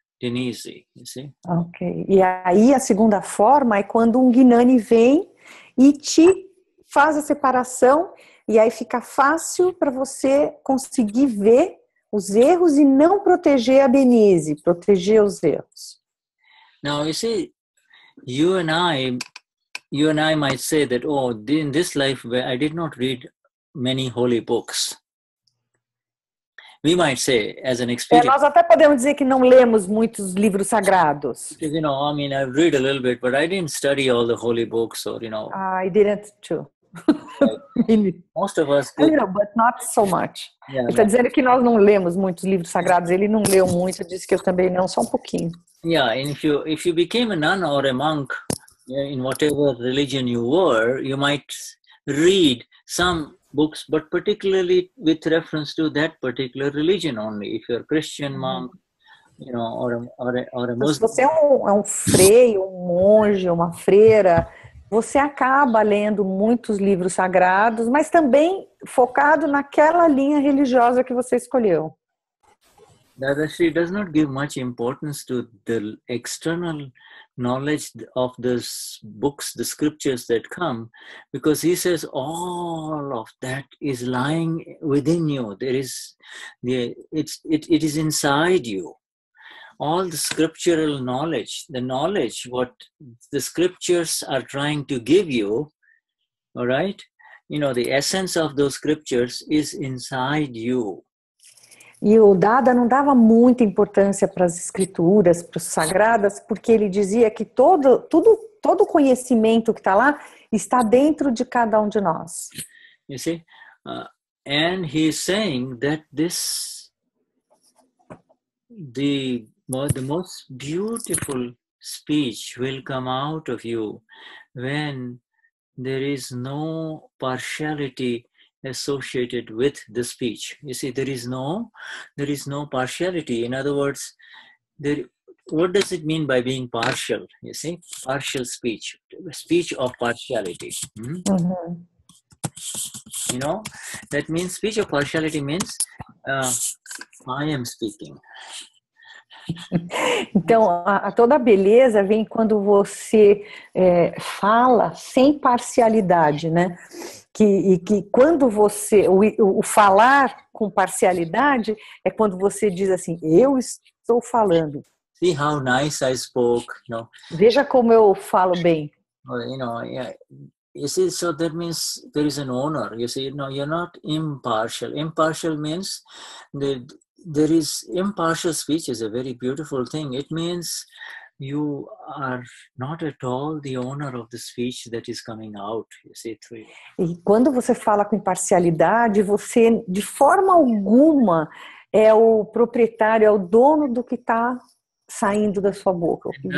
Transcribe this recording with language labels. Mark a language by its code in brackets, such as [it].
[en] Easy, you see? Ok. [pt] E aí a segunda forma é quando um Gnani vem e te faz a separação e aí fica fácil para você conseguir ver os erros e não proteger a Denise, proteger os erros. [en] Now you see, you and I might say that, oh, in this life where I did not read many holy books. We might say, as an experience. [pt] Nós até podemos dizer que não lemos muitos livros sagrados. [en] Because, you know, I mean, I've read a little bit, but I didn't study all the holy books, or, you know. I didn't too. Like, most of us did. Know, but not so much. [pt] Yeah, está dizendo que nós não lemos muitos livros sagrados. Ele não leu muito. Disse que eu também não, só um pouquinho. [en] Yeah, and if you became a nun or a monk, yeah, in whatever religion you were, you might read some books, but particularly with reference to that particular religion only. If you're a Christian monk, you know, or a Muslim. [pt] Se você é um frei, um monge, uma freira, você acaba lendo muitos livros sagrados, mas também focado naquela linha religiosa que você escolheu. [en] Dadashri does not give much importance to the external knowledge of those books, the scriptures that come, because he says all of that is lying within you. It is inside you. All the scriptural knowledge, the knowledge what the scriptures are trying to give you, all right? You know, the essence of those scriptures is inside you. [pt] E o Dada não dava muita importância para as escrituras, para os sagradas, porque ele dizia que todo conhecimento que está lá está dentro de cada um de nós. [en] You see? And he is saying that this the most beautiful speech will come out of you when there is no partiality associated with the speech. You see, there is no partiality. In other words, what does it mean by being partial? You see, partial speech, speech of partiality. You know, that means speech of partiality means I am speaking. [pt] Então, a toda a beleza vem quando você fala sem parcialidade, né? Que quando você, o falar com parcialidade é quando você diz assim, eu estou falando. [en] See how nice I spoke, you know? [pt] Veja como eu falo bem. [en] Well, you know, yeah. You see, so that means there is an honor. You see, no, you're not impartial. Impartial means that there is impartial speech is a very beautiful thing. It means you are not at all the owner of the speech that is coming out, you see, through you. [pt] E quando você fala com imparcialidade, você de forma alguma é o proprietário, é o dono do que está saindo da sua boca.